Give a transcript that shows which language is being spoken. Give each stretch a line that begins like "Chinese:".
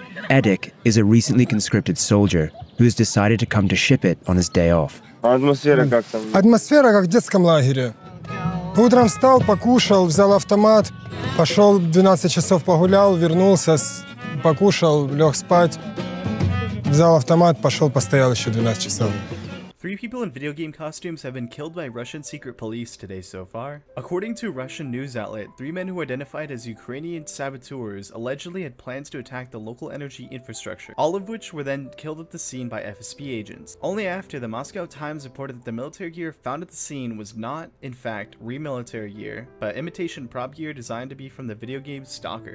English: Edik is a recently conscripted soldier who has decided to come to Ship It on his day off.
Ukrainian: Атмосфера як там? Атмосфера як в дитячому лагері.
Russian: Утром
Ukrainian: встав, покушав, взяв автомат, пішов
Russian: 12 часов
Ukrainian: погуляв, вернувся з...
Russian: Покушал, лег спать, взял автомат, пошел, постоял еще 12 часов.
English: Three people in video game costumes have been killed by Russian secret police today so far. According to a Russian news outlet, three men who identified as Ukrainian saboteurs allegedly had plans to attack the local energy infrastructure, all of which were then killed at the scene by FSB agents. Only after the Moscow Times reported that the military gear found at the scene was not, in fact, re-military gear, but imitation prop gear designed to be from the video game Stalker.